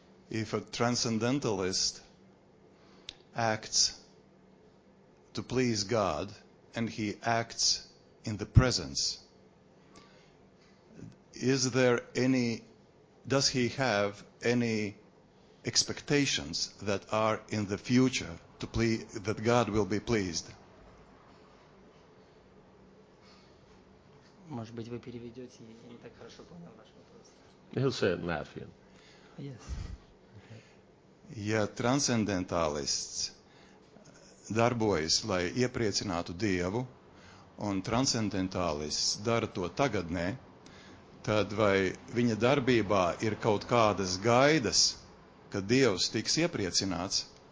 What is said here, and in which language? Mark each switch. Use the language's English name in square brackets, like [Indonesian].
[English] If a transcendentalist acts to please God and he acts in the presence, does he have any expectations that are in the future to please, that God will be pleased? [Russian] Может быть, вы переведете, я не так хорошо понял ваш вопрос. [English] He'll say it in Latvian. Yes. [Latvian] Ja transcendentālists darbojas, lai iepriecinātu Dievu, un transcendentālists dara to tagadnē, tad vai viņa darbībā ir kaut kādas gaidas, ka Dievs tiks iepriecināts?